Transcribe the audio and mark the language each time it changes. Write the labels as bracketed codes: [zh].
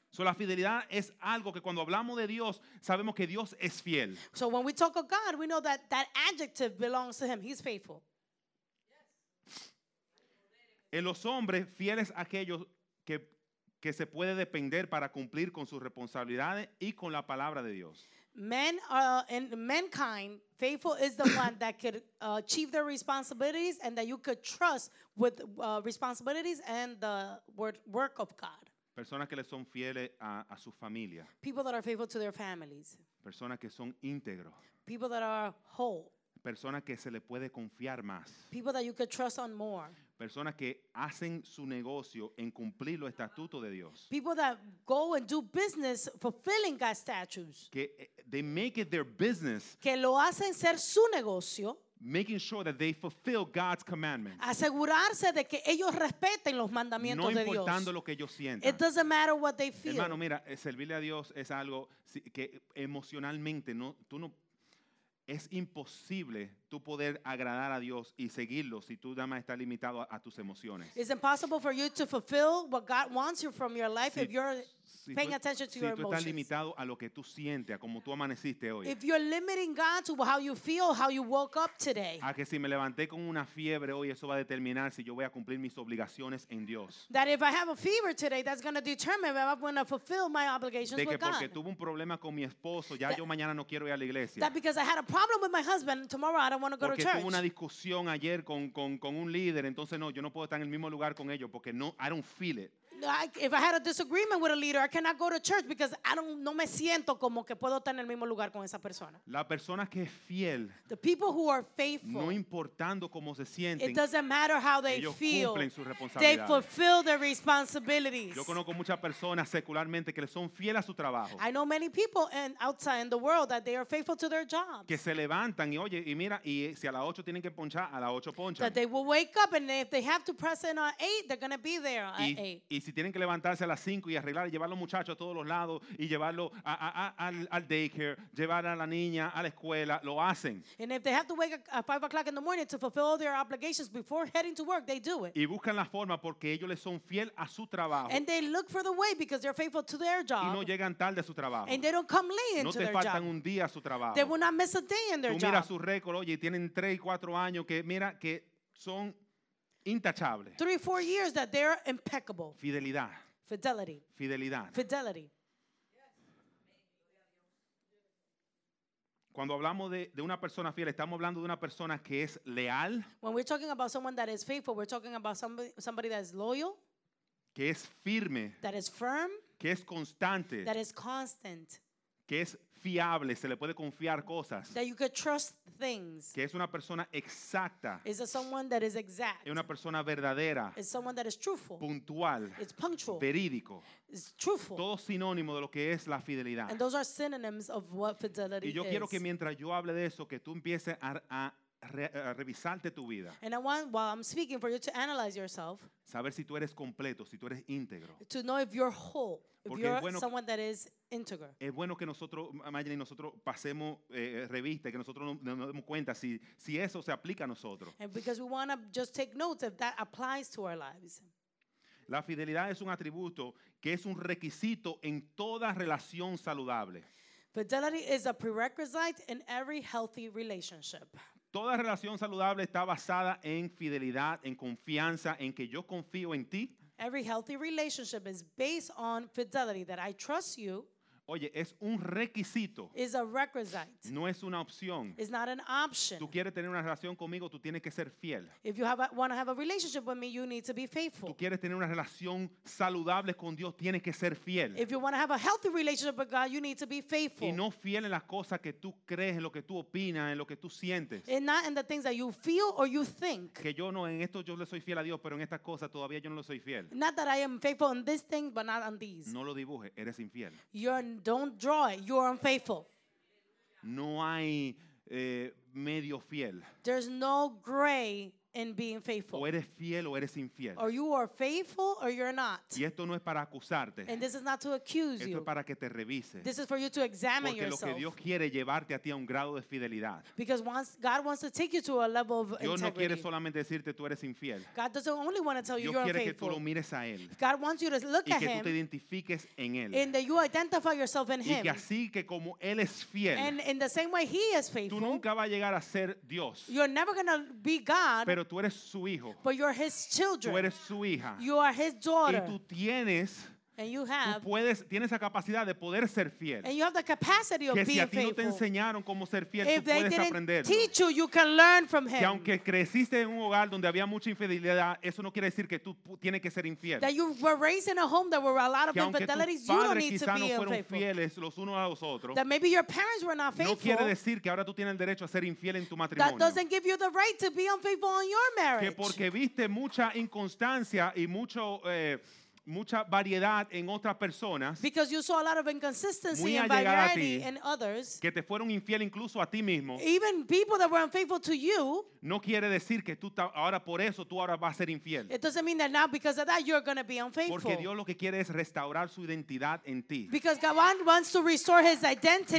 [es] So, la fidelidad es algo que cuando hablamos de Dios, sabemos que Dios es fiel. [en] So, when we talk of God, we know that that adjective belongs to him. He's faithful. [es] En los hombres, fiel es aquello que se puede depender para cumplir con sus responsabilidades y con la palabra de Dios. [en] Men are, in mankind, faithful is the one that could achieve their responsibilities and that you could trust with responsibilities and the work of God. [es] Personas que le son fieles a su familia. [en] People that are faithful to their families. [es] Personas que son íntegros. [en] People that are whole. [es] Personas que se le puede confiar más. [en] People that you could trust on more. [es] Personas que hacen su negocio en cumplir los estatutos de Dios. [en] People that go and do business fulfilling God's statutes. Que they make it their business. [es] Que lo hacen ser su negocio. [en] Making sure that they fulfill God's commandments. [es] Asegurarse de que ellos respeten los mandamientos de Dios. No importando lo que ellos sientan. [en] It doesn't matter what they feel. [es] Hermano, mira, servirle a Dios es algo que emocionalmente no, tú no, Es imposible tú poder agradar a Dios y seguirlo si tú nada más estás limitado a tus emociones. [en] It's impossible for you to fulfill what God wants you from your life if you're paying attention to your emotions. [es] Si tú estás limitado a lo que tú sientes, a cómo tú amaneciste hoy. [en] If you're limiting God to how you feel, how you woke up today. [es] A que si me levanté con una fiebre hoy, eso va a determinar si yo voy a cumplir mis obligaciones en Dios. [en] That if I have a fever today, that's going to determine if I'm going to fulfill my obligations with God. [es] De que porque tuve un problema con mi esposo, ya yo mañana no quiero ir a la iglesia. [en] That because I had a problem with my husband, tomorrow I don't want to go to church. [es] Porque tuve una discusión ayer con un líder, entonces no, yo no puedo estar en el mismo lugar con ellos porque no, [en] I don't feel it. If I had a disagreement with a leader, I cannot go to church because I don't, [es] no me siento como que puedo estar en el mismo lugar con esa persona. La persona que es fiel, [en] the people who are faithful, [es] no importando cómo se sienten, [en] it doesn't matter how they feel, [es] cumplen sus responsabilidades. [en] They fulfill their responsibilities. [es] Yo conozco muchas personas secularmente que son fieles a su trabajo. [en] I know many people in, outside in the world that they are faithful to their jobs. [es] Que se levantan y oye y mira y si a las 8 tienen que ponchar, a las 8 ponchan. [en] That they will wake up and if they have to press in at 8, they're going to be there at 8. [es] Y si tienen que levantarse a las 5 y arreglar y llevar a los muchachos a todos los lados y llevarlo al daycare, llevar a la niña a la escuela, lo hacen. [en] And if they have to wake at 5 o'clock in the morning to fulfill all their obligations before heading to work, they do it. [es] Y buscan la forma porque ellos les son fiel a su trabajo. [en] And they look for the way because they're faithful to their job. [es] Y no llegan tarde a su trabajo. [en] And they don't come late into their job. [es] No te faltan un día a su trabajo. [en] They will not miss a day in their job. [es] Tú miras su récord, oye, tienen 3, 4 años que mira que son intachable. [en] 3-4 years that they're impeccable. [es] Fidelidad. [en] Fidelity. [es] Fidelidad. [en] Fidelity. [es] Cuando hablamos de una persona fiel, estamos hablando de una persona que es leal. [en] When we're talking about someone that is faithful, we're talking about somebody that is loyal. [es] Que es firme. [en] That is firm. [es] Que es constante. [en] That is constant. [es] Que es fiable, se le puede confiar cosas. [en] That you could trust things. [es] Que es una persona exacta. [en] Is it someone that is exact? [es] Es una persona verdadera. [en] Is someone that is truthful? [es] Puntual. [en] It's punctual. [es] Verídico. [en] It's truthful. [es] Todo sinónimo de lo que es la fidelidad. [en] And those are synonyms of what fidelity is. [es] Y yo quiero [en] is. [es] Que mientras yo hable de eso, que tú empieces a revisarte tu vida. [en] And I want, while I'm speaking, for you to analyze yourself. [es] Saber si tú eres completo, si tú eres íntegro. [en] To know if you're whole. If you're [es] bueno, [en] someone that is integral. [es] Es bueno que nosotros, imagine, nosotros pasemos revista, que nosotros nos demos cuenta si eso se aplica a nosotros. [en] And because we want to just take notes if that applies to our lives. [es] La fidelidad es un atributo que es un requisito en toda relación saludable. [en] Fidelity is a prerequisite in every healthy relationship. [es] Toda relación saludable está basada en fidelidad, en confianza, en que yo confío en ti. [en] Every healthy relationship is based on fidelity, that I trust you. [es] Oye, es un requisito. [en] Is a requisite. [es] No es una opción. [en] Is not an option. [es] Tú quieres tener una relación conmigo, tú tienes que ser fiel. [en] If you want to have a relationship with me, you need to be faithful. [es] Tú quieres tener una relación saludable con Dios, tienes que ser fiel. [en] If you want to have a healthy relationship with God, you need to be faithful. [es] Y no fiel en las cosas que tú crees, en lo que tú opinas, en lo que tú sientes. [en] And not in the things that you feel or you think. [es] Que yo no, en esto yo le soy fiel a Dios, pero en estas cosas todavía yo no le soy fiel. [en] Not that I am faithful in this thing, but not on these. [es] No lo dibujes, eres infiel. [en] Don't draw it. You are unfaithful. [es] No hay medio fiel. [en] There's no gray in being faithful. [es] O eres fiel o eres infiel. [en] Or you are faithful or you're not. [es] Y esto no es para acusarte. [en] And this is not to accuse [es] esto [en] you. [es] Esto es para que te revises. [en] This is for you to examine [es] porque [en] yourself. [es] Porque lo que Dios quiere llevarte a ti a un grado de fidelidad. [en] Because God wants to take you to a level of [es] Dios [en] integrity. [es] No quiere solamente decirte tú eres infiel. [en] God doesn't only want to tell [es] Dios [en] you you're unfaithful. [es] Dios quiere que tú lo mires a él. [en] God wants you to look at him. [es] Y que tú te identifiques en él. [en] And that you identify yourself in [es] y [en] him. [es] Y que así que como él es fiel. [en] And in the same way he is faithful. [es] Tú nunca vas a llegar a ser Dios. [en] You're never going to be God. [es] Pero tú eres su hijo. [en] But you're his children. [es] Tú eres su hija. [en] You are his daughter. [es] Y tú tienes. [en] And you have. [es] Tú puedes, tienes la capacidad de poder ser fiel. [en] And you have the capacity of [es] que [en] being [es] si a ti [en] faithful. [es] No te enseñaron cómo ser fiel, [en] if [es] tú puedes aprenderlo. [en] If they didn't teach you, you can learn from him. [es] Que aunque creciste en un hogar donde había mucha infidelidad, eso no quiere decir que tú tienes que ser infiel. [en] That you were raised in a home that were a lot of infidelities, you don't need to be unfaithful. [es] Quizá no fueron fieles los unos a los otros. [en] That maybe your parents were not faithful. [es] No quiere decir que ahora tú tienes el derecho a ser infiel en tu matrimonio. [en] That doesn't give you the right to be unfaithful in your marriage. [es] Que porque viste mucha inconstancia y mucho mucha variedad en otras personas. [en] Because you saw a lot of inconsistency and variety in others. [es] Que te fueron infiel incluso a ti mismo. [en] Even people that were unfaithful to you. [es] No quiere decir que tú ahora por eso tú ahora vas a ser infiel. [en] It doesn't mean that now because of that you're going to be unfaithful. [es] Porque Dios lo que quiere es restaurar su identidad en ti. [en] Because God wants to restore his identity